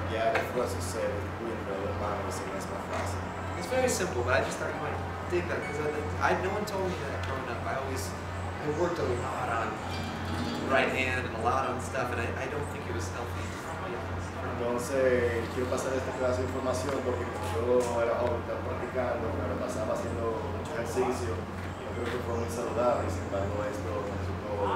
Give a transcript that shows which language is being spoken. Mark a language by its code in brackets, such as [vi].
[es] y ya el esfuerzo se encuentra de mano, así que es más fácil. [en] It's very simple, but I just thought you might dig that because no one told me that growing up. I worked a lot on right hand and a lot on stuff, and I don't think it was healthy. [es] Entonces quiero pasar esta clase de información porque yo era joven, estaba practicando, pero pasaba haciendo mucho ejercicio. Yo creo que fue muy saludable, sin embargo esto resultó